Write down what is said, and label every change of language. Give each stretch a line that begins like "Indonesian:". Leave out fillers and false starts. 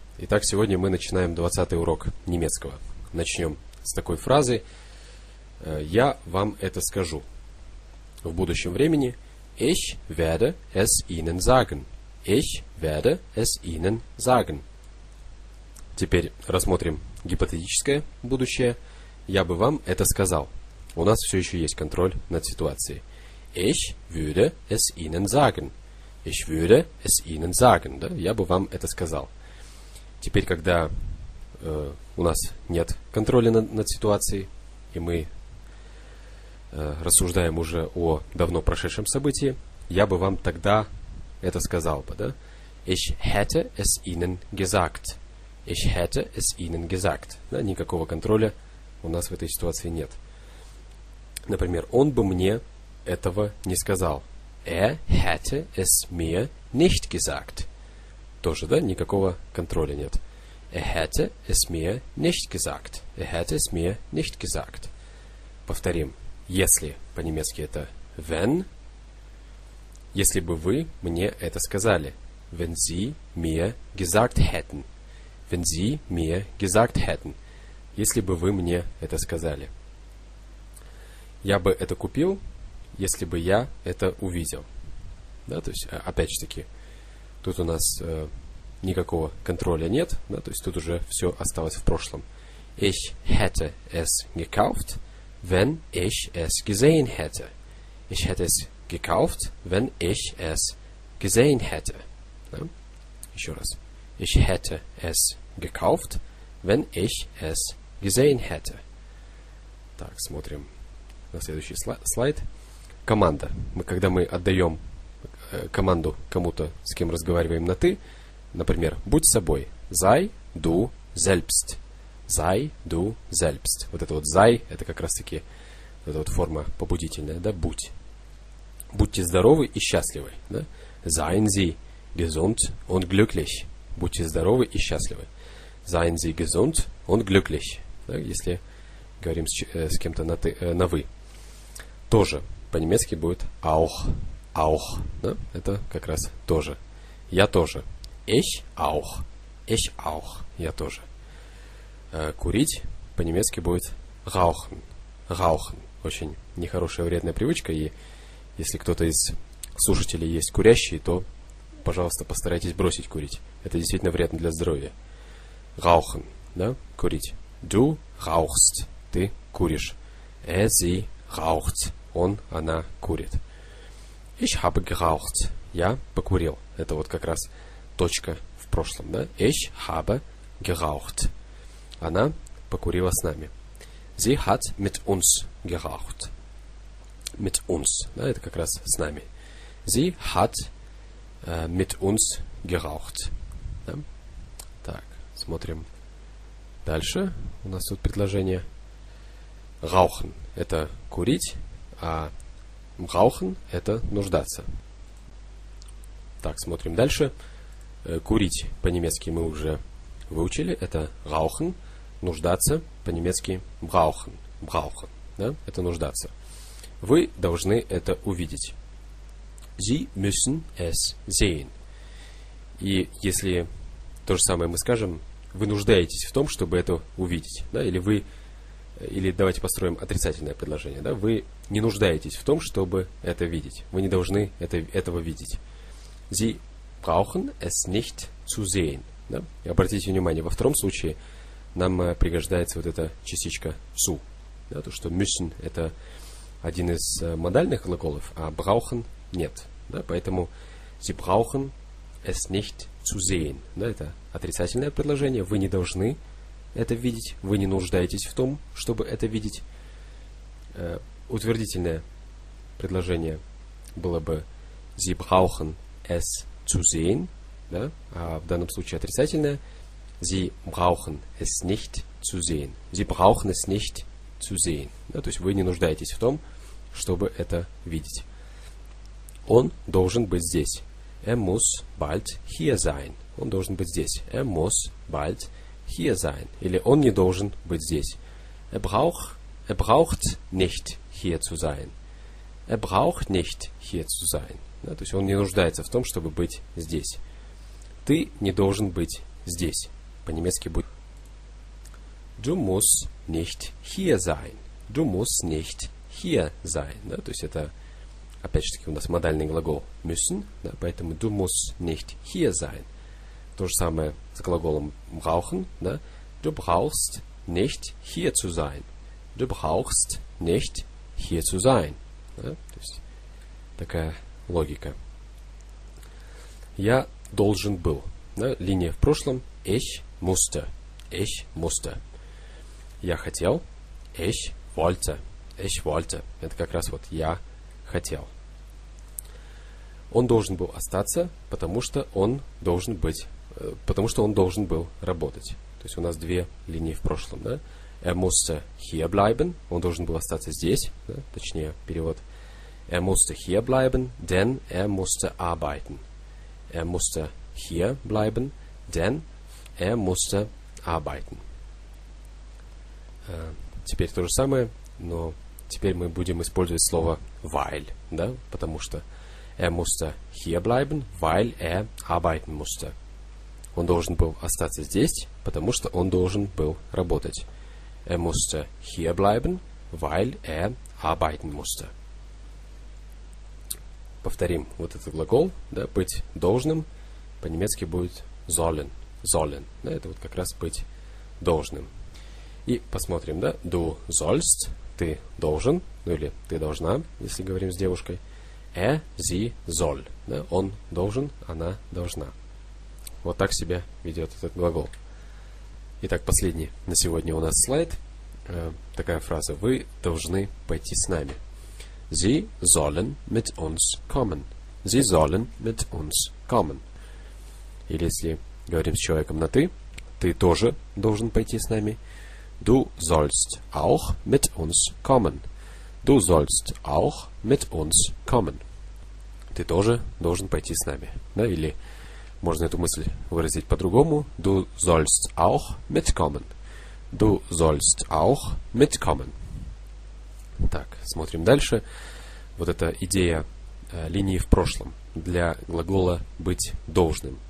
Russian: Итак, сегодня мы начинаем 20-й урок немецкого. Начнем с такой фразы «Я вам это скажу». В будущем времени
German: «Ich werde es Ihnen sagen». «Ich werde es Ihnen sagen».
Russian: Теперь рассмотрим гипотетическое будущее. «Я бы вам это сказал». У нас все еще есть контроль над ситуацией.
German: «Ich würde es Ihnen sagen». Ich würde es Ihnen sagen, да?
Russian: Я бы вам это сказал. Теперь, когда у нас нет контроля над ситуацией, и мы рассуждаем уже о давно прошедшем событии, я бы вам тогда это сказал бы, да?
German: Ich hätte es Ihnen gesagt. Ich hätte es Ihnen gesagt.
Russian: Да? Никакого контроля у нас в этой ситуации нет. Например, он бы мне этого не сказал.
German: Er hätte es mir nicht gesagt.
Russian: Тоже, да, никакого контроля нет.
German: Er hätte es mir nicht gesagt. Er hätte es mir nicht gesagt.
Russian: Повторим. Если, по-немецки это wenn. Если бы вы мне это сказали.
German: Wenn Sie mir gesagt hätten. Wenn Sie mir gesagt hätten.
Russian: Если бы вы мне это сказали. Я бы это купил. Если бы я это увидел. Да, то есть, опять же таки, тут у нас никакого контроля нет, да, то есть тут уже все осталось в прошлом.
German: Ich hätte es gekauft, wenn ich es gesehen hätte. Ich hätte es gekauft, wenn ich es gesehen hätte.
Russian: Да? Еще раз.
German: Ich hätte es gekauft, wenn ich es gesehen hätte.
Russian: Так, смотрим на следующий слайд. Команда. Когда мы отдаем команду кому-то, с кем разговариваем на «ты», например, «будь собой».
German: «Sei du selbst». «Sei du selbst».
Russian: Вот это вот «sei» – это как раз-таки эта вот форма побудительная, да, «будь». «Будьте здоровы и счастливы». Да?
German: «Seien Sie gesund und glücklich».
Russian: «Будьте здоровы и счастливы».
German: «Seien Sie gesund und glücklich».
Russian: Да? Если говорим с кем-то на «ты», на «вы». Тоже. По-немецки будет auch, auch, да? Это как раз тоже. Я тоже.
German: Ich auch,
Russian: я тоже. Курить по-немецки будет rauchen, rauchen. Очень нехорошая вредная привычка, и если кто-то из слушателей есть курящий, то, пожалуйста, постарайтесь бросить курить. Это действительно вредно для здоровья. Rauchen, да, курить.
German: Du rauchst,
Russian: ты куришь.
German: Er, sie raucht.
Russian: Он, она курит.
German: Ich habe geraucht.
Russian: Я покурил. Это вот как раз точка в прошлом, да?
German: Ich habe geraucht.
Russian: Она покурила с нами.
German: Sie hat mit uns geraucht. Mit uns.
Russian: Да, это как раз с нами.
German: Sie hat mit uns geraucht.
Russian: Да? Так, смотрим дальше. У нас тут предложение. Rauchen. Это курить. А rauchen – это нуждаться. Так, смотрим дальше. Курить по-немецки мы уже выучили. Это rauchen. Нуждаться по-немецки brauchen. Brauchen, да? Это нуждаться. Вы должны это увидеть.
German: Sie müssen es sehen.
Russian: И если то же самое мы скажем, вы нуждаетесь в том, чтобы это увидеть. Да? Или вы... Или давайте построим отрицательное предложение. Да? Вы не нуждаетесь в том, чтобы это видеть. Вы не должны этого видеть.
German: Sie brauchen es nicht zu sehen.
Russian: Да? И обратите внимание, во втором случае нам пригождается вот эта частичка zu. Да? То, что müssen – это один из модальных глаголов, а brauchen – нет. Да? Поэтому
German: Sie brauchen es nicht zu sehen.
Russian: Да? Это отрицательное предложение. Вы не должны это видеть, вы не нуждаетесь в том, чтобы это видеть. Утвердительное предложение было бы
German: Sie brauchen es zu sehen,
Russian: да? А в данном случае отрицательное
German: Sie brauchen es nicht zu sehen. Sie brauchen es nicht zu sehen, да?
Russian: То есть вы не нуждаетесь в том, чтобы это видеть. Он должен быть здесь.
German: Er muss bald hier sein.
Russian: Он должен быть здесь.
German: Er muss bald hier sein.
Russian: Или он не должен быть здесь.
German: Er braucht nicht hier zu sein. Er braucht nicht hier zu sein.
Russian: Да, то есть он не нуждается в том, чтобы быть здесь. ты не должен быть здесь. По-немецки будет
German: Du musst nicht hier sein. Du musst nicht hier sein.
Russian: Да, то есть это, опять же таки, у нас модальный глагол müssen, да, поэтому
German: du musst nicht hier sein.
Russian: То же самое с глаголом brauchen. Да.
German: Du brauchst nicht hier zu sein. Du brauchst nicht hier zu sein.
Russian: Да, то есть такая логика. Я должен был. Да, линия в прошлом.
German: Ich musste. Ich musste.
Russian: Я хотел.
German: Ich wollte. Ich wollte.
Russian: Это как раз вот я хотел. Он должен был остаться, потому что он должен был работать. То есть у нас две линии в прошлом. Да?
German: Er musste hier bleiben.
Russian: Он должен был остаться здесь. Да? Точнее, перевод.
German: Er musste hier bleiben, denn er musste arbeiten. Er musste hier bleiben, denn er musste arbeiten.
Russian: Теперь то же самое, но теперь мы будем использовать слово weil, да, потому что
German: er musste hier bleiben, weil er arbeiten musste.
Russian: Он должен был остаться здесь, потому что он должен был работать.
German: Er musste hier bleiben, weil er arbeiten musste.
Russian: Повторим вот этот глагол, да, быть должным, по-немецки будет sollen, sollen, да, это вот как раз быть должным. И посмотрим, да,
German: du sollst,
Russian: ты должен, ну или ты должна, если говорим с девушкой,
German: er, sie, soll,
Russian: да, он должен, она должна. Вот так себя ведет этот глагол. Итак, последний на сегодня у нас слайд, такая фраза, вы должны пойти с нами.
German: Sie sollen mit uns kommen. Sie sollen mit uns kommen.
Russian: Или если говорим с человеком на «ты», ты тоже должен пойти с нами.
German: Du sollst auch mit uns kommen. Du sollst auch mit uns kommen.
Russian: Ты тоже должен пойти с нами. Да? Или можно эту мысль выразить по-другому.
German: Du sollst auch mitkommen. Du sollst auch mitkommen.
Russian: Так, смотрим дальше. Вот эта идея линии в прошлом для глагола «быть должным».